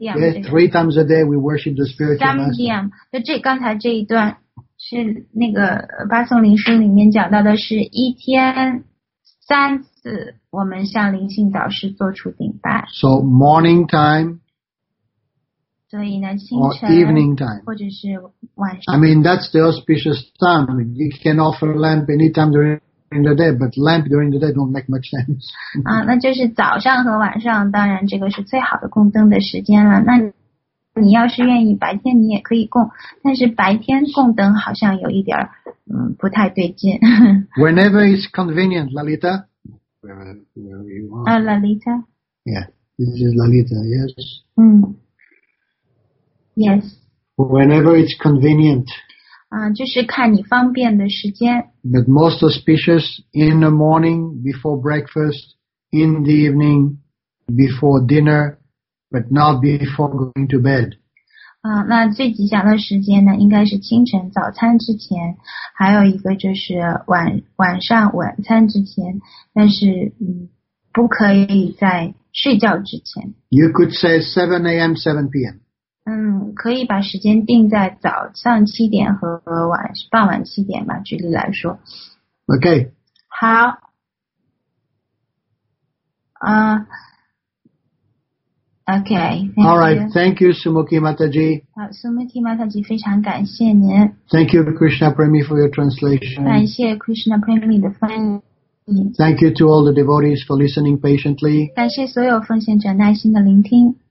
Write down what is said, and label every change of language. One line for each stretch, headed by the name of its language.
English: Yes, three times a day we worship the spiritual master.
Sanskrit: Sandhyam.
Chinese: 就这刚才这一段是那个巴颂林书里面讲到的是一天三次我们向灵性导师做出顶拜。
English: So morning time.
Chinese: 所以呢，清晨
English: or evening time.
Chinese: 或者是晚上。
English: I mean, that's the auspicious time. You can offer a lamp anytime during the day, but lamp during the day don't make much sense.
Chinese: 那就是早上和晚上，当然这个是最好的供灯的时间了。那你要是愿意白天你也可以供，但是白天供灯好像有一点不太对劲。
English: Whenever it's convenient, Lalita. Wherever you want. Lalita. Yeah, this is Lalita, yes. Yes. Whenever it's convenient.
Chinese: 就是看你方便的时间。
English: But most auspicious in the morning, before breakfast, in the evening, before dinner, but not before going to bed.
Chinese: 那最吉祥的时间呢，应该是清晨早餐之前，还有一个就是晚上晚餐之前，但是不可以在睡觉之前。
English: You could say 7 a.m., 7 p.m.
Chinese: 可以把时间定在早上七点和傍晚七点吧，举例来说。
English: OK。
Chinese: 好。
English: OK。 All right. Thank you, Sumukhi Mataji.
Chinese: 好 ，Sumukhi Mataji， 非常感谢您。
English: Thank you, Krishna Premi, for your translation.
Chinese: 感谢 Krishna Premi 的翻译。
English: Thank you to all the devotees for listening patiently.
Chinese: 感谢所有奉献者耐心的聆听。